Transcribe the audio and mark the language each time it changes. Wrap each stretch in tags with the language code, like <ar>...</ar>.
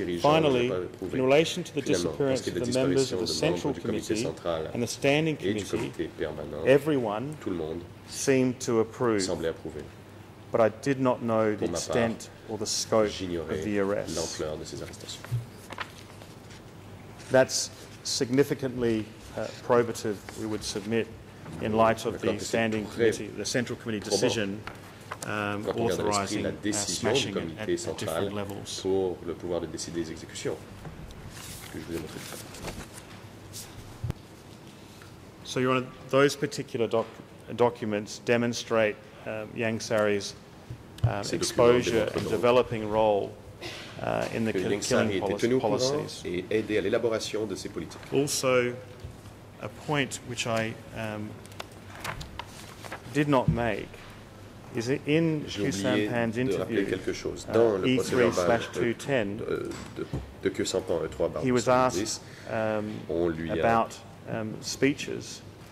<en>Finally, in relation to the disappearance of the members of the Central Committee and the Standing Committee, everyone seemed to approve, but I did not know the extent or the scope of the arrest.</en> <fr>L'ampleur de ces arrestations.</fr> <en>That's significantly probative, we would submit, in light of the Standing Committee, the Central Committee decision authorizing</en> <fr>la décision</fr> <en>smashing</en> <fr>du comité</fr> <en>at different levels.</en> <fr>Pour le pouvoir de décider des exécutions, que je vous ai montré.</fr> <en>So, Your Honor, those particular documents demonstrate Yang Sari's exposure and developing role in the killing policies.</en> <fr>Et aider à l'élaboration de ces politiques.</fr> <en>Also, a point which I did not make is that in Q Sampan's interview, E3/210, he was asked about speeches.</en>